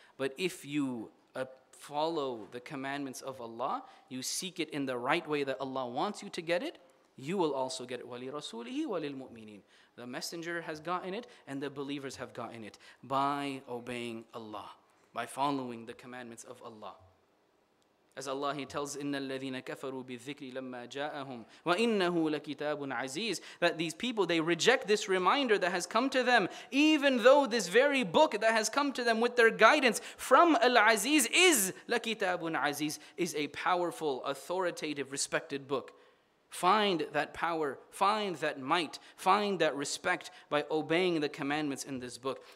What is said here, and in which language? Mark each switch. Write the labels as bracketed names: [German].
[English] But if you follow the commandments of Allah, you seek it in the right way that Allah wants you to get it, you will also get it. [Arabic] وَلِرَسُولِهِ وَلِلْمُؤْمِنِينَ. [English] The messenger has gotten it and the believers have gotten it by obeying Allah, by following the commandments of Allah. As Allah, He tells, [Arabic] إِنَّ الَّذِينَ كَفَرُوا بِالذِّكْرِ لَمَّا جَاءَهُمْ وَإِنَّهُ لَكِتَابٌ عَزِيزٌ. [English] That these people, they reject this reminder that has come to them, even though this very book that has come to them with their guidance from Al-Aziz is [Arabic] لَكِتَابٌ عَزِيزٌ, [English] is a powerful, authoritative, respected book. Find that power, find that might, find that respect by obeying the commandments in this book.